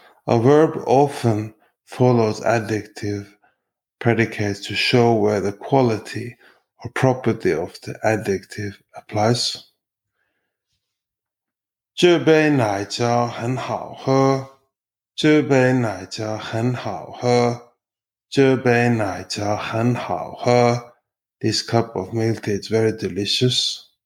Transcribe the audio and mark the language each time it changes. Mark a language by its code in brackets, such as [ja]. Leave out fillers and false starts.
[en] A verb often follows adjective predicates to show where the quality or property of the adjective applies. [zh] 这杯奶茶很好喝。这杯奶茶很好喝。这杯奶茶很好喝。 [en] This cup of milk is very delicious.